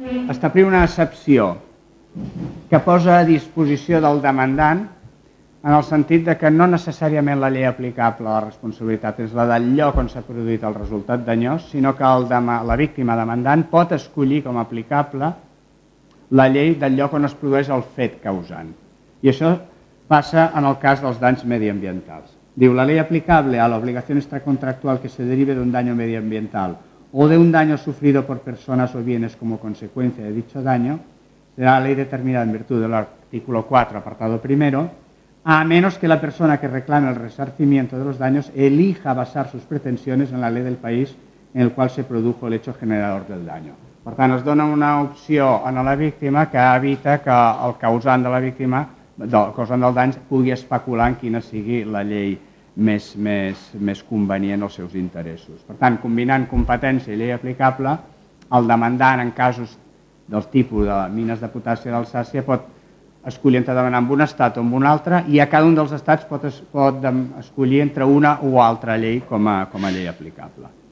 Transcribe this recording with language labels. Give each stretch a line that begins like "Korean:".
Catalan: establir una excepció que posa a disposició del demandant en el sentit de que no necessàriament la llei aplicable a la responsabilitat és la del lloc on s'ha produït el resultat danyós, sinó que la víctima demandant pot escollir com aplicable la llei del lloc on es produeix el fet causant. I això passa en el cas dels danys mediambientals.
Spanish: Diu,
Catalan: la llei aplicable a l'obligació extracontractual
Spanish: que se derive d'un daño mediambiental o d'un daño sufrido por personas o bienes como consecuencia de dicho daño será la ley determinada en virtud del artículo 4, apartado primero, a menos que la persona que reclame el resarcimiento de los daños elija basar sus pretensiones en la ley del país en el cual se produjo el hecho generador del daño.
Catalan: Per tant, es dona una opció a la víctima que evita que el causant de la víctima, el causant del dany, pugui especular en quina sigui la llei més convenient als seus interessos. Per tant, combinant competència i llei aplicable, el demandant en casos del tipus de mines de potassi d'Alsàcia pot escollir entre demanar amb un estat o amb un altre, i a cada un dels estats pot escollir entre una o altra llei com a llei aplicable.